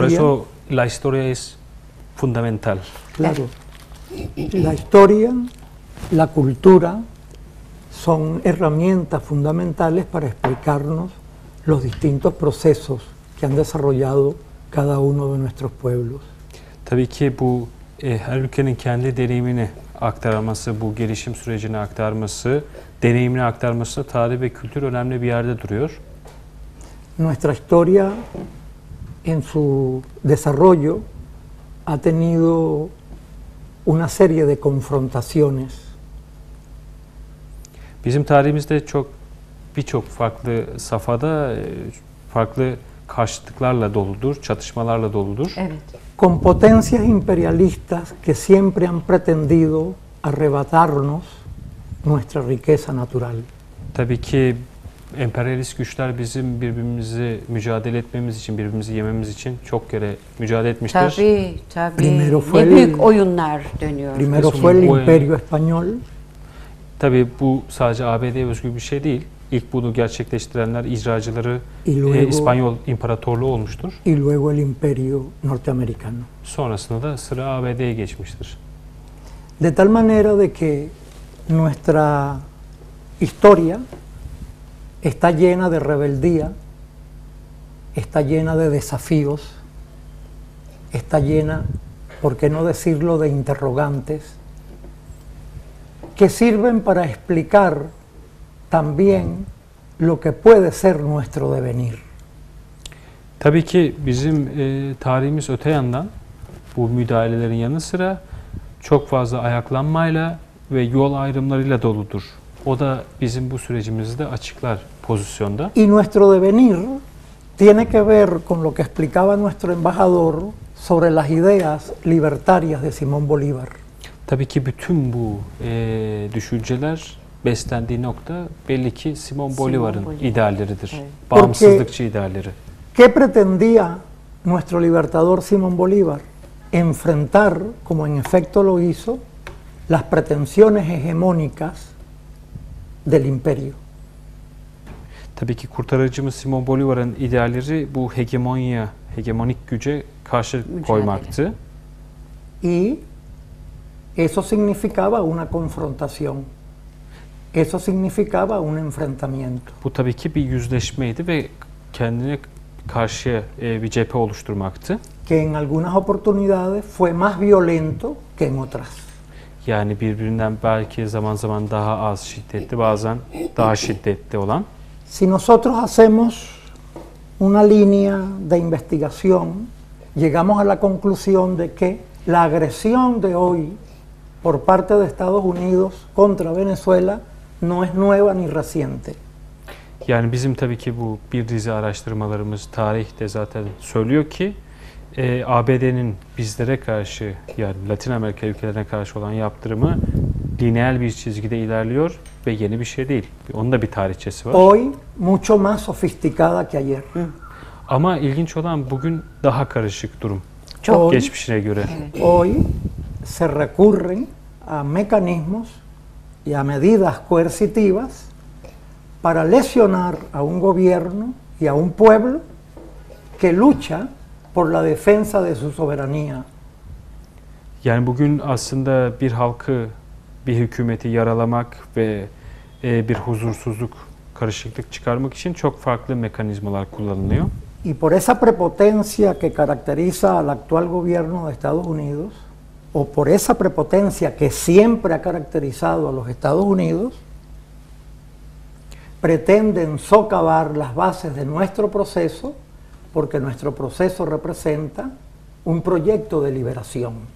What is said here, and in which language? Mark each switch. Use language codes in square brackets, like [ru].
[es] Por eso la historia es fundamental. Claro, la historia, la cultura son herramientas fundamentales para explicarnos los distintos procesos que han desarrollado cada uno de nuestros pueblos. [tr] Tabii ki bu her ülkenin kendi deneyimini aktarması, bu gelişim sürecini aktarması, deneyimini aktarması, tarih ve kültür önemli bir yerde duruyor. [es] Nuestra historia en su desarrollo ha tenido una serie de confrontaciones. [tr] Bizim tarihimizde çok birçok farklı safhada farklı karşıtlıklarla doludur, çatışmalarla doludur. Evet. [es] Con potencias imperialistas que siempre han pretendido arrebatarnos nuestra riqueza natural. [tr] Tabii ki emperyalist güçler bizim birbirimizi mücadele etmemiz için, birbirimizi yememiz için çok kere mücadele etmiştir. Tabii, tabii. [es] Primero fue el, [tr] ne büyük oyunlar dönüyor. [es] Primero fue el imperio español. [tr] Tabii bu sadece ABD'ye özgü bir şey değil. İlk bunu gerçekleştirenler, icracıları [es] luego, [tr] İspanyol İmparatorluğu olmuştur. [es] Y luego el imperio norteamericano. [tr] Sonrasında da sıra ABD'ye geçmiştir. [es] De tal manera de que nuestra historia está llena de rebeldía, está llena de desafíos, está llena, por qué no decirlo, de interrogantes que sirven para explicar también lo que puede ser nuestro devenir. [tr] Tabii ki bizim tarihimiz öte yandan bu müdahalelerin yanı sıra çok fazla ayaklanmayla ve yol ayrımlarıyla doludur. O da bizim bu sürecimizi de açıklar pozisyonda. [es] Y nuestro devenir tiene que ver con lo que explicaba nuestro embajador sobre las ideas libertarias de Simón Bolívar. [tr] Tabii ki bütün bu düşünceler beslendiği nokta belli ki Simón Bolívar'ın idealleridir. Evet. Bağımsızlıkçı idealleri. [es] ¿Qué pretendía nuestro libertador Simón Bolívar? Enfrentar, como en efecto lo hizo, las pretensiones hegemónicas del imperio. [tr] Tabii ki kurtarıcımız Simón Bolívar'ın idealleri bu hegemonya, hegemonik güce karşı koymaktı. [es] Y eso significaba una confrontación. Eso significaba un enfrentamiento. [tr] Bu tabii ki bir yüzleşmeydi ve kendine karşı bir cephe oluşturmaktı. [es] Que en algunas oportunidades fue más violento que en otras. [tr] Yani birbirinden belki zaman zaman daha az şiddetli, bazen daha şiddetli olan. [es] Si nosotros hacemos una línea de investigación, llegamos a la conclusión de que la agresión de hoy por parte de Estados Unidos contra Venezuela no es nueva ni reciente. [tr] Yani bizim tabii ki bu bir dizi araştırmalarımız tarihte zaten söylüyor ki ABD'nin bizlere karşı yani Latin Amerika ülkelerine karşı olan yaptırımı lineal bir çizgide ilerliyor ve yeni bir şey değil. Onun da bir tarihçesi var. [es] Hoy mucho más sofisticada que ayer. [tr] Ama ilginç olan bugün daha karışık durum. Çok [es] hoy, [tr] geçmişine göre. [es] Hoy se recurren a mecanismos y a medidas coercitivas para lesionar a un gobierno y a un pueblo que lucha por la defensa de su soberanía. [tr] Yani bugün aslında bir halkı, bir hükümeti yaralamak ve bir huzursuzluk, karışıklık çıkarmak için çok farklı mekanizmalar kullanılıyor. [es] Y por esa prepotencia que caracteriza al actual gobierno de Estados Unidos, o por esa prepotencia que siempre ha caracterizado a los Estados Unidos, pretenden socavar las bases de nuestro proceso porque nuestro proceso representa un proyecto de liberación.